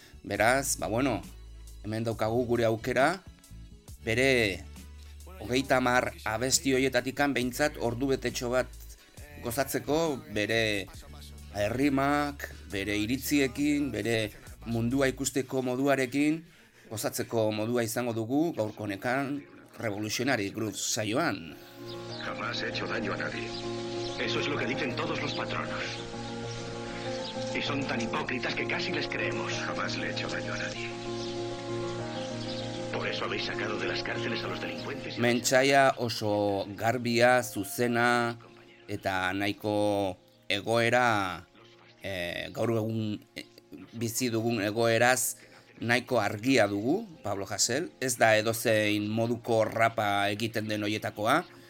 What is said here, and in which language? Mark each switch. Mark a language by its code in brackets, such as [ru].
[eu] Beraz, hemen daukagu gure aukera bere 30 abesti hoietatikan behintzat ordu betetxo bat gozatzeko, bere herrimak, bere iritziekin, bere mundua ikusteko moduarekin gozatzeko modua izango dugu gaurko honekan Revolutionary Grooves saioan. [es] Jamás he hecho daño a nadie. Eso es lo que dicen todos los patronos. Y son tan hipócritas que casi les creemos. Jamás le he hecho daño a nadie. Por eso habéis sacado de las cárceles a los delincuentes. [eu] Mentxaia oso garbia, zuzena eta nahiko egoera gaur egun bizi dugun egoeraz nahiko argia dugu Pablo Hasell. Ez da edozein moduko rapa egiten den hoietakoa.